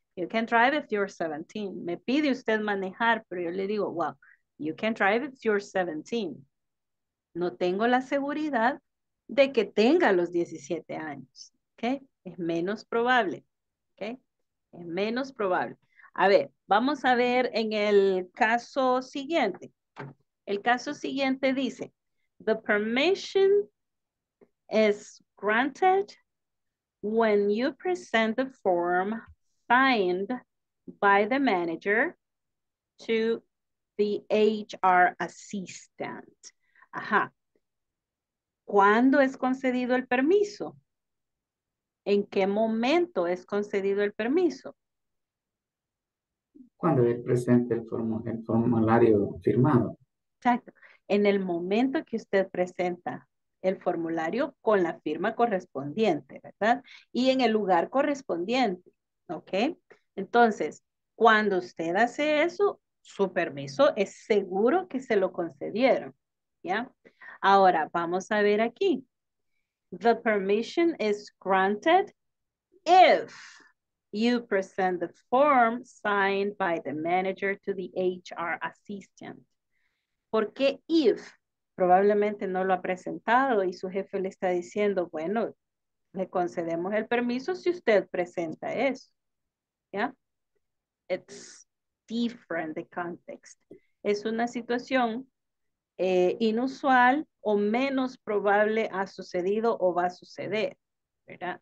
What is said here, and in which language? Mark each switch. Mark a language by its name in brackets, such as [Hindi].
[English] You can drive if you're 17. [Spanish] Me pide usted manejar, pero yo le digo, [English] well, you can drive if you're 17. [Spanish] No tengo la seguridad de que tenga los 17 años, ¿ok? Es menos probable, ¿ok? Es menos probable. A ver, vamos a ver en el caso siguiente. El caso siguiente dice, [English] the permission is granted when you present the form signed by the manager to the HR assistant. [Spanish] Ajá. ¿Cuándo es concedido el permiso? ¿En qué momento es concedido el permiso? Cuando él presente el formulario firmado. Exacto. En el momento que usted presenta el formulario con la firma correspondiente, ¿verdad? Y en el lugar correspondiente, ¿ok? Entonces, cuando usted hace eso, su permiso es seguro que se lo concedieron, ¿ya? Ahora, vamos a ver aquí. [English] The permission is granted if you present the form signed by the manager to the HR assistant. [Spanish] ¿Por qué if? Probablemente no lo ha presentado y su jefe le está diciendo, bueno, le concedemos el permiso si usted presenta eso. ¿Ya? [English] It's different the context. [Spanish] Es una situación inusual o menos probable ha sucedido o va a suceder. ¿Verdad?